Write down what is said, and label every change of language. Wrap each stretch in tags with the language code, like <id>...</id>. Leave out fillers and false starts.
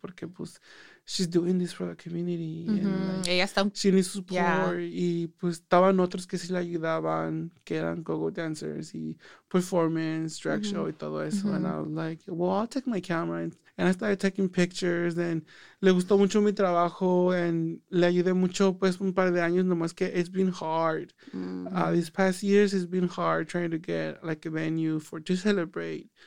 <es>Porque, pues,</es> <en>she's doing this for the community. And, like,</en> <es>ella</es> <en>she needs support. Yeah.</en> <es>Y, pues, estaban otros que sí le ayudaban, que eran go-go dancers y performance, drag show y todo eso.</es> <en>And I was like, well, I'll take my camera. And I started taking pictures. And</en> <es>le gustó mucho mi trabajo. And le ayudé mucho, pues, un par de años. Nomás que</es> <en>it's been hard. These past years, it's been hard trying to get, like, a venue for to celebrate.</en>